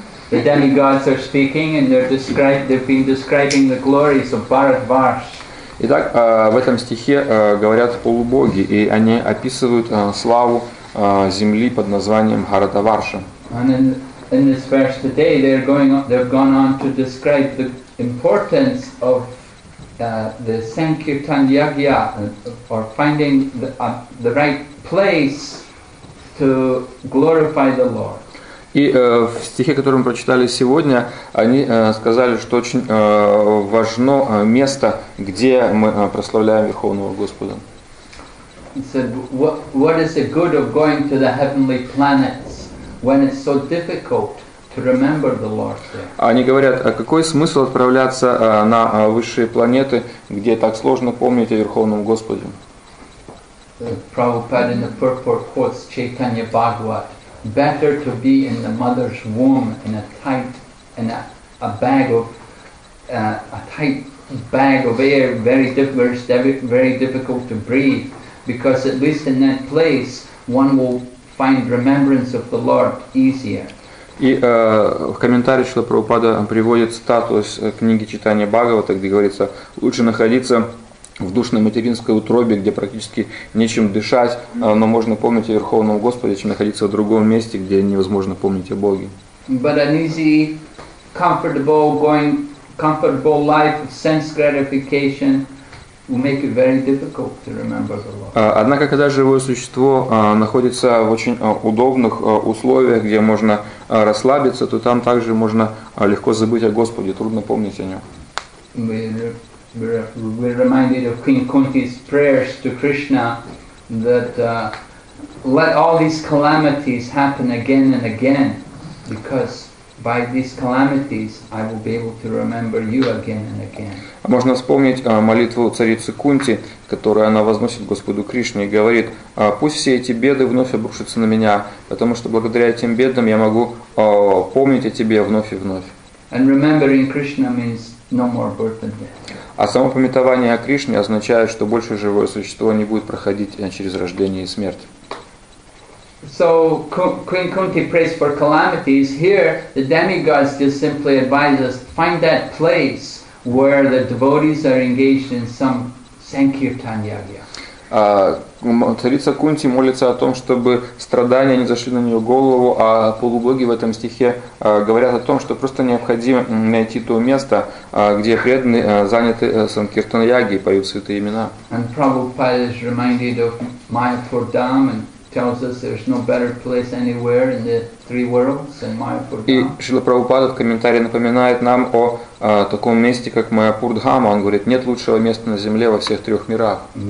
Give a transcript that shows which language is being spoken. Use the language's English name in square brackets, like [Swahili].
[English] The demigods are speaking and they've been describing the glories of Bharat Varsh. [Russian] Итак, в этом стихе говорят полубоги, и они описывают славу земли под названием Бхаратаварша. [English] In this verse today, they've gone on to describe the importance of the Sankirtan Yagya, or finding the right place to glorify the Lord. [Russian] И в стихе, который мы прочитали сегодня, они сказали, что очень важно место, где мы прославляем Верховного Господа. [English] Said, what is the good of going to the heavenly planets when it's so difficult to remember the Lord there? [Russian] Они говорят, а какой смысл отправляться на высшие планеты, где так сложно помнить о Верховном Господе? [English] Prabhupada in the purport quotes Chaitanya Bhagavat. Better to be in the mother's womb in a tight bag of air, very difficult to breathe, because at least in that place one will find remembrance of the Lord easier. [Russian] И в комментарии Шрила Прабхупада приводит статус книги Читания Бхагавата, где говорится, лучше находиться в душной материнской утробе, где практически нечем дышать, но можно помнить о Верховном Господе, чем находиться в другом месте, где невозможно помнить о Боге. [English] But an easy, comfortable life of sense gratification will make it very difficult to remember the Lord. [Russian] Однако, когда живое существо находится в очень удобных условиях, где можно расслабиться, то там также можно легко забыть о Господе, трудно помнить о Нем. [English] We're reminded of King Kunti's prayers to Krishna that let all these calamities happen again and again, because by these calamities I will be able to remember you again and again. [Russian] Можно вспомнить молитву царицы Кунти, которую она возносит Господу Кришне и говорит: пусть все эти беды вновь обрушатся на меня, потому что благодаря этим бедам я могу помнить о тебе вновь и вновь. [English] And remembering Krishna means no more birth and death. [Russian] А само памятование о Кришне означает, что больше живое существо не будет проходить через рождение и смерть. [English] So Queen Kunti prays for calamities. Here the demigods just simply advise us find that place where the devotees are engaged in some sankirtan yagya. [Russian] Царица Кунти молится о том, чтобы страдания не зашли на нее голову, а полубоги в этом стихе говорят о том, что просто необходимо найти то место, где преданные заняты санкиртан-яги и поют святые имена. [English] And Prabhupada is reminded of Mayapur Dham and tells us there's no better place anywhere in the three worlds than Mayapur Dham. [Russian] И Шрила Прабхупада в комментарии напоминает нам о таком месте, как Майяпур Дхама. Он говорит, нет лучшего места на земле во всех трех мирах.